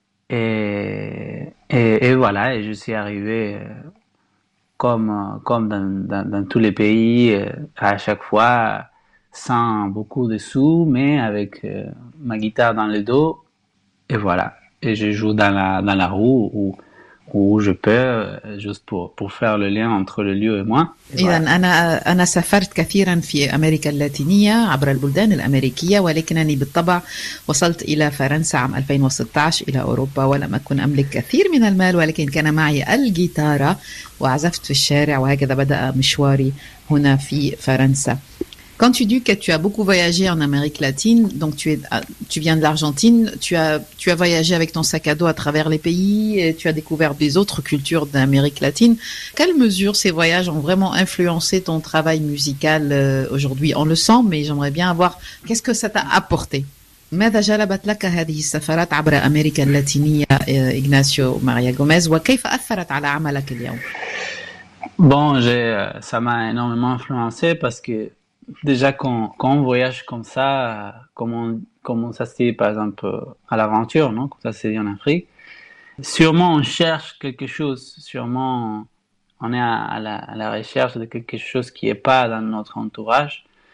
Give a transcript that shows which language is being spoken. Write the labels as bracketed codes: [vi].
[fr] Et voilà, et je suis arrivé comme dans tous les pays à chaque fois, sans beaucoup de sous, mais avec ma guitare dans le dos. Et voilà, et je joue dans la rue où je peux, juste pour faire le lien entre le lieu et moi. [ar] إذن أنا سافرت كثيرا في أمريكا اللاتينية عبر البلدان الأمريكية، ولكنني بالطبع وصلت إلى فرنسا عام 2016 إلى أوروبا، ولم أكن أملك كثير من المال، ولكن كان معي الجيتارة وعزفت في الشارع، وهكذا بدأ مشواري هنا في فرنسا. [fr] Quand tu dis que tu as beaucoup voyagé en Amérique latine, donc tu viens de l'Argentine, tu as voyagé avec ton sac à dos à travers les pays, et tu as découvert des autres cultures d'Amérique latine. Quelle mesure ces voyages ont vraiment influencé ton travail musical aujourd'hui ? On le sent, mais j'aimerais bien avoir qu'est-ce que ça t'a apporté ? [ar] ماذا جلبت لك هذه السفرات عبر أمريكا اللاتينية إغناسيو ماريا غوميز وكيف أثرت على عملك اليوم ? [fr] Bon, ça m'a énormément influencé parce que déjà, quand on voyage comme ça, comme on s'assied par exemple à l'aventure, non, comme ça c'est dit en Afrique, sûrement on cherche quelque chose, sûrement on est à la recherche de quelque chose qui n'est pas dans notre entourage.